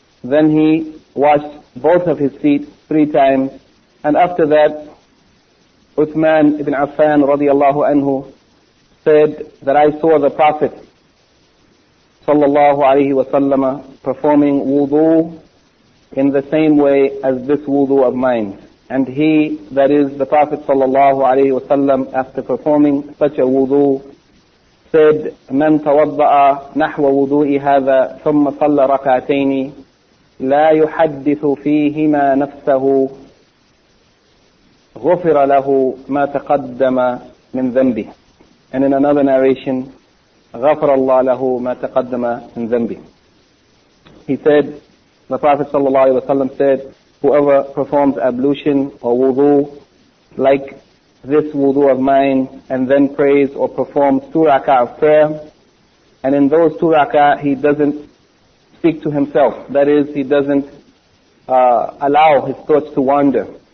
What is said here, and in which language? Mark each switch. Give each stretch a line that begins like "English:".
English: Then he washed both of his feet three times. And after that, Uthman ibn Affan radiyallahu anhu said that I saw the Prophet sallallahu alayhi wa sallam performing wudu in the same way as this wudu of mine. And he, that is the Prophet sallallahu alayhi wa sallam, after performing such a wudu, said,
Arabic: مَنْ تَوَضَّأَ نَحْوَ وُضُوءِ هَذَا ثُمَّ صَلَّ رَكَعَتَيْنِ لَا يُحَدِّثُ فِيهِمَا نَفْسَهُ غُفِرَ لَهُ مَا تَقَدَّمَ مِنْ ذَنْبِهِ.
English: And in another narration,
Arabic: غَفَرَ اللَّهُ لَهُ مَا تَقَدَّمَ مِنْ ذَنْبِهِ.
English: He said, the Prophet sallallahu alayhi wa sallam said, whoever performs ablution or wudu like this wudu of mine, and then prays or performs two rak'ah of prayer, and in those two rak'ah he doesn't speak to himself, that is, he doesn't allow his thoughts to wander